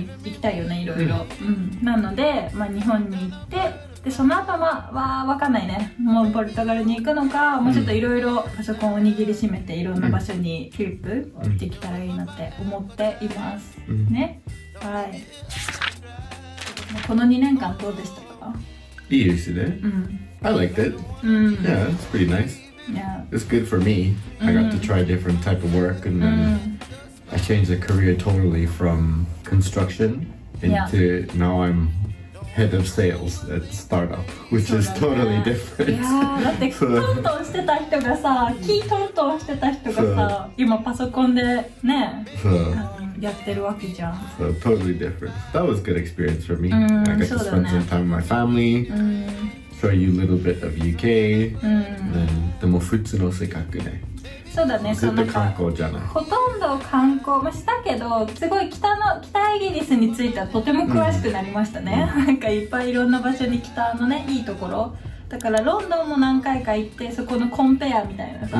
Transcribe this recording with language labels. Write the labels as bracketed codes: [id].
[ja] まあ、行きたいよねいろいろ、うんうん、なので、まあ、日本に行ってでその後は、まあ、わかんないね、もうポルトガルに行くのか、もうちょっといろいろパソコンを握りしめていろんな場所にキープできたらいいなって思っています、うん、ね、はい。この2年間どうでしたか？いいですね、うん、 [en] I liked it、うん、 Yeah, it's pretty nice、 yeah. It's good for me、うん、I got to try different type of work and then、うん、I changed a career totally from construction into、yeah. now I'm head of sales at startup which、ね、is totally different。 [ja] いやだってトントンしてた人がさ、キートントンしてた人がさ、今パソコンでね、やってるわけじゃん。 [en] So totally different. That was a good experience for me、うん、 I got to spend、ね、 some time with my family、うん、 show you a little bit of UK、うん、 and then, [ja] でも普通の性格ね、そうだね、ずっと観光じゃない、ほとんど観光、まあ、したけどすごい北イギリスについてはとても詳しくなりましたね、うん、なんかいっぱいいろんな場所に北のねいいところだから、ロンドンも何回か行ってそこのコンペアみたいなさ、